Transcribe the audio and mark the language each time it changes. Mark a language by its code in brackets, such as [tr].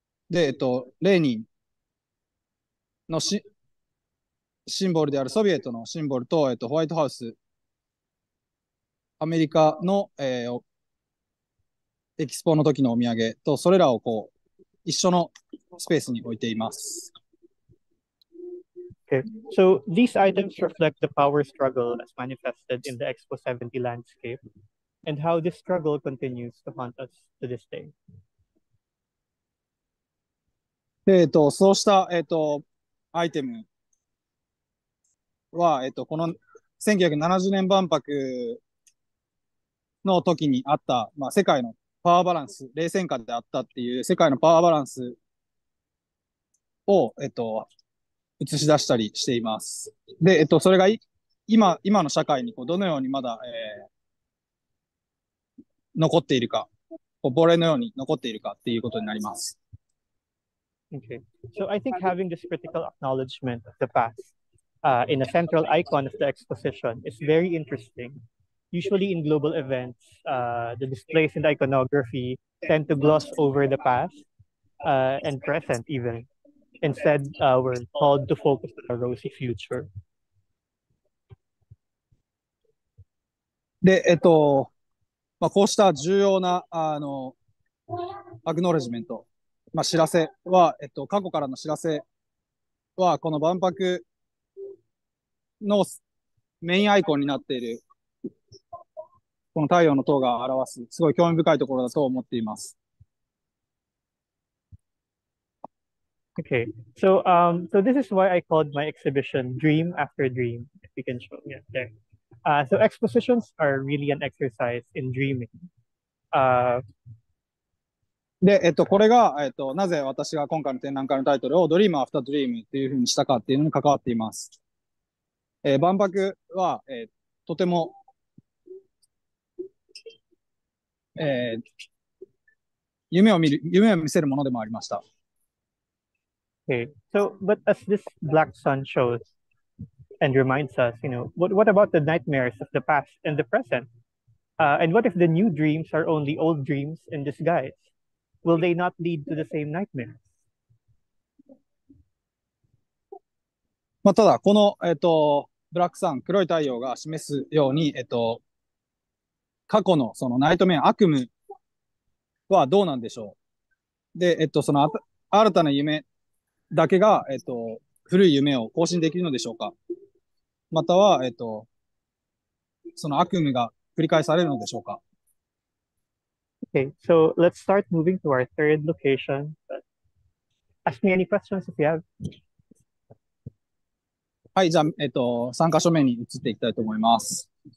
[ja] で、レーニンのシンボルである、ソビエトのシンボルと、ホワイトハウス、アメリカの、エキスポの時のお土産と、それらをこう、一緒のスペースに置いています。 [en] Okay, so these items reflect the power struggle as manifested in the Expo 70 landscape and how this struggle continues to haunt us to this day. [ja] そうした、アイテムは、この1970年万博の時にあった、まあ、世界のパワーバランス、冷戦下であったっていう世界のパワーバランスを、映し出したりしています。で、それが今の社会にこうどのようにまだ、残っているか、こう亡霊のように残っているかっていうことになります。 [en] Okay, so I think having this critical acknowledgement of the past in a central icon of the exposition is very interesting. Usually in global events, the displays and iconography tend to gloss over the past and present even. Instead, we're called to focus on a rosy future. [ja] で、まあ、こうした重要なアグノレジメント。まあ、知らせは、過去からの知らせは、この万博のメインアイコンになっている、この太陽の塔が表す、すごい興味深いところだと思っています。 [en] Okay, so, so this is why I called my exhibition Dream After Dream, if you can show me up there. So expositions are really an exercise in dreaming. [ja] で、これが、なぜ私が今回の展覧会のタイトルを Dream After Dream というふうにしたかっていうのに関わっています。万博は、とても、夢を見せるものでもありました。 [en] Okay. So, but as this black sun shows and reminds us, you know, what about the nightmares of the past and the present? And what if the new dreams are only old dreams in disguise? Will they not lead to the same nightmares? [ja] まあ、ただこのブラックサン黒い太陽が示すように過去のそのナイトメア悪夢はどうなんでしょう。でその新たな夢だけが古い夢を更新できるのでしょうか。またはその悪夢が繰り返されるのでしょうか。 [en] Okay, so let's start moving to our third location. But ask me any questions if you have. [ja] はい、じゃあ、3箇所目に移っていきたいと思います。